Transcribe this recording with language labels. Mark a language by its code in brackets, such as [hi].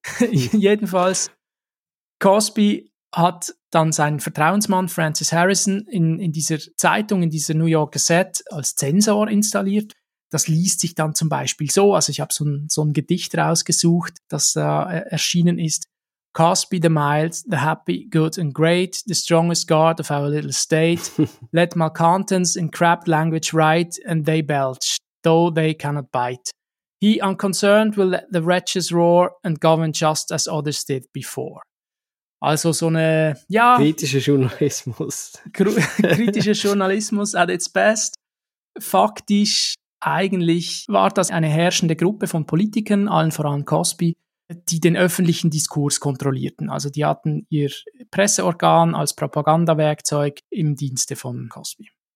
[de] Jedenfalls, Cosby hat dann seinen Vertrauensmann Francis Harrison in dieser Zeitung, in dieser New York Gazette, als Zensor installiert. Das liest sich dann zum Beispiel so, also ich habe so ein Gedicht rausgesucht, das erschienen ist. [en] Cosby the mild, the happy, good and great, the strongest guard of our little state. Let malcontents in crabbed language write and they belch. Though they cannot bite. He unconcerned will let the wretches roar and govern just as others did before. [de] Also so eine, ja. Kritischer Journalismus. kritischer Journalismus [en] at its best. [de] Faktisch, eigentlich war das eine herrschende Gruppe von Politikern, allen voran Cosby, die den öffentlichen Diskurs kontrollierten. Also die hatten ihr Presseorgan als Propagandawerkzeug im Dienste von Cosby.